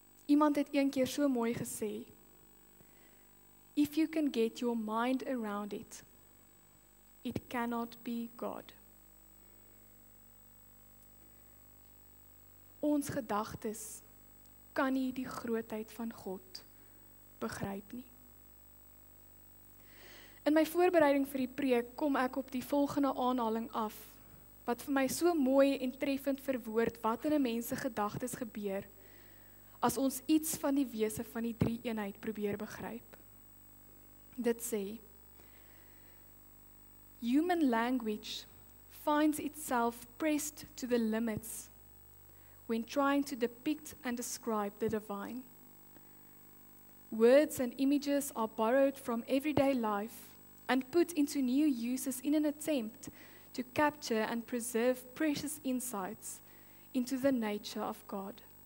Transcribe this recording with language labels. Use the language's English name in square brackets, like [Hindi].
[Afrikaans] Iemand het een keer so mooi gesê, [English] "If you can get your mind around it, it cannot be God." [Afrikaans] Ons gedagtes kan nie die grootheid van God begryp nie. In my voorbereiding vir die preek kom ek op die volgende aanhaling af, wat vir my so mooi en treffend verwoord wat in 'n mens se gedagtes gebeur as ons iets van die wese van die drie eenheid probeer begryp. Dit sê: [English] "Human language finds itself pressed to the limits when trying to depict and describe the divine. Words and images are borrowed from everyday life and put into new uses in an attempt to capture and preserve precious insights into the nature of God.